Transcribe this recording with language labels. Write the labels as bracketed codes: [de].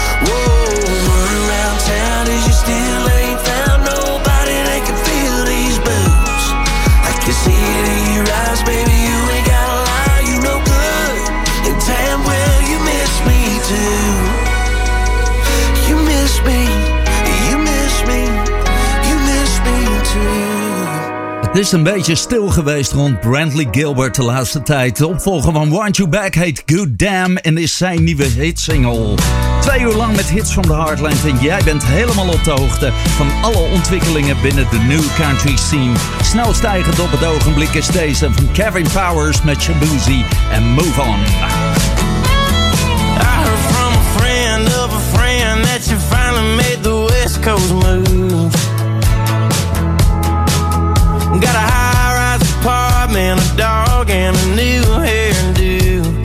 [en] Whoa, run around town as you still ain't found nobody that can feel these boots. I can see it in your eyes, baby, you ain't gotta lie, you no good. And damn well, you miss me too. You miss me, you miss me, you miss me too. [nl] Het is een beetje stil geweest rond Bradley Gilbert de laatste tijd. De opvolger van Want You Back heet Good Damn en is zijn nieuwe hitsingle. 2 uur lang met Hits from the Heartland en jij bent helemaal op de hoogte van alle ontwikkelingen binnen de new country scene. Snel stijgend op het ogenblik is deze van Kevin Powers met Shaboozy en Move On. [en] I heard from a friend of a friend that you finally made the West Coast move. Got a high-rise apartment, a dog, and a new hairdo.